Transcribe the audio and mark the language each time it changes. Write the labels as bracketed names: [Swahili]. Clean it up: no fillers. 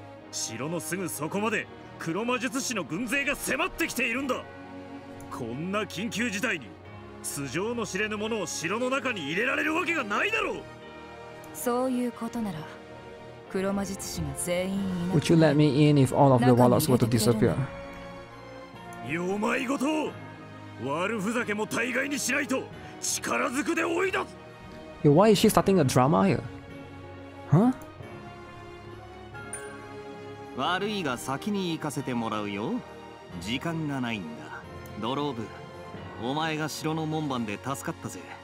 [Japanese] 城のすぐそこまで黒魔術師の軍勢が迫ってきているんだ。こんな緊急事態に素性の知れぬ者を城の中に入れられるわけがないだろう。そういうことなら黒魔術師が全員いない。 [English] Would you let me in if all of the warlocks were to disappear? [Japanese] 弱いこと。悪ふざけも大概にしないと。力ずくで追い出す。 [English] Yo, why is she starting a drama here? [Japanese] Huh? 悪いが先に行かせてもらうよ。時間がないんだ。ドローブ、お前が城の門番で助かったぜ。